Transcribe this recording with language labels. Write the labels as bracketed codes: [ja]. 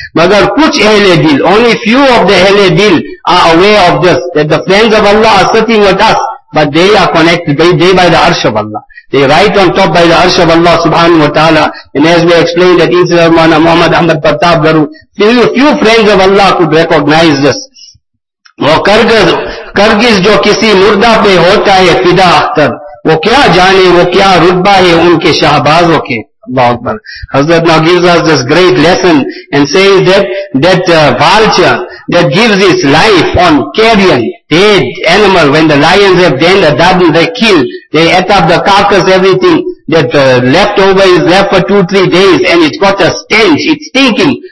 [ur] Magar kuch ahle dil, [en] only few of the ahle dil are aware of this, that the friends of Allah are sitting with us, but they are connected, they by the arsh of Allah. They right on top by the arsh of Allah subhanahu wa ta'ala. And as we explained that Insular Mana Muhammad Ahmad Pratap Garu, few friends of Allah could recognize this. [ur] وہ کرگز جو کسی مردہ پہ ہوتا ہے فدا اختر وہ کیا جانے وہ کیا رتبہ ہے ان کے شہبازوں کے. [ar] Allah Akbar. [en] Hazrat now gives us this great lesson and says that vulture that gives its life on carrion, dead animal, when the lions have done the dung, they kill, they eat up the carcass, everything that leftover is left for 2-3 days, and it's got a stench, it's stinking.